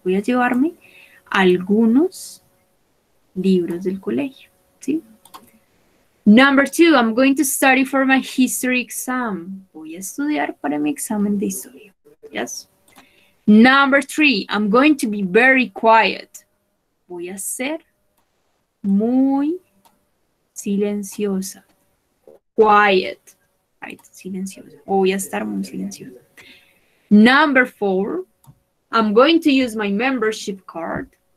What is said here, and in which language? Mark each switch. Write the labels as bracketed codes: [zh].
[es] Voy a llevarme algunos libros del colegio, ¿sí? [en] Number two, I'm going to study for my history exam. [es] Voy a estudiar para mi examen de historia, ¿yes? [en] Number three, I'm going to be very quiet. [es] Voy a ser muy silenciosa. [en] Quiet, right, [es] silenciosa. Voy a estar muy silenciosa. [en] Number four, I'm going to use my membership card.